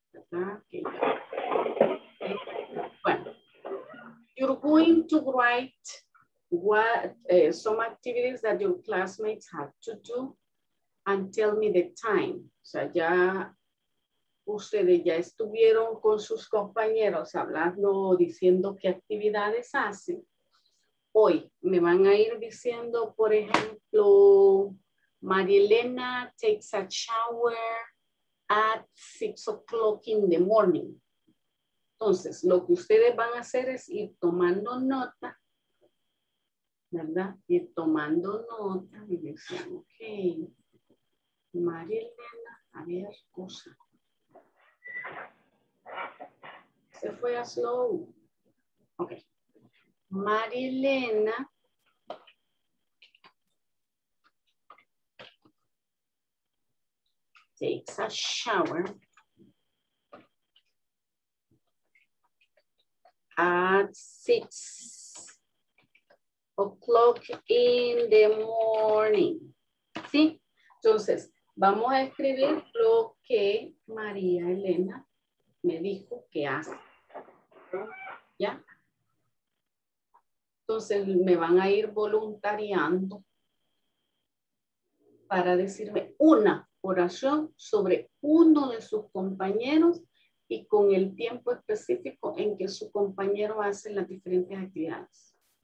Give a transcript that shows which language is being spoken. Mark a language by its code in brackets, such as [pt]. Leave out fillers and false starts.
[en] Bueno, you're going to write some activities that your classmates have to do and tell me the time. [es] O sea, ya ustedes ya estuvieron con sus compañeros hablando, diciendo qué actividades hacen. Hoy me van a ir diciendo, por ejemplo, Marielena takes a shower at 6 o'clock in the morning. Entonces, lo que ustedes van a hacer es ir tomando nota, ¿verdad? Ir tomando nota y decir, ok, María Elena, a ver, cosa. Se fue a slow. Ok. María Elena. [en] Takes a shower at 6 o'clock in the morning. [es] ¿Sí? Entonces, vamos a escribir lo que María Elena me dijo que hace. ¿Ya? Entonces, me van a ir voluntariando para decirme una oración sobre uno de sus compañeros y con el tiempo específico en que su compañero hace las diferentes actividades.